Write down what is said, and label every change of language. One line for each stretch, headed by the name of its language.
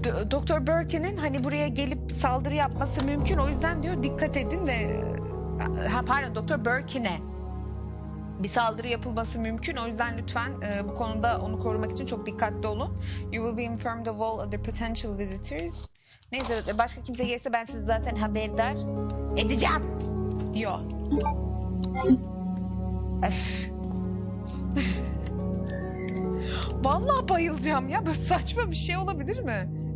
Turkish: Dr. Birkin'in hani buraya gelip saldırı yapması mümkün, o yüzden diyor dikkat edin ve Dr. Birkin'e bir saldırı yapılması mümkün. O yüzden lütfen bu konuda onu korumak için çok dikkatli olun.
English: You will be informed of all other potential visitors.
Turkish: Neyse, başka kimse gelirse ben sizi zaten haberdar edeceğim diyor. Vallahi bayılacağım ya. Böyle saçma bir şey olabilir mi?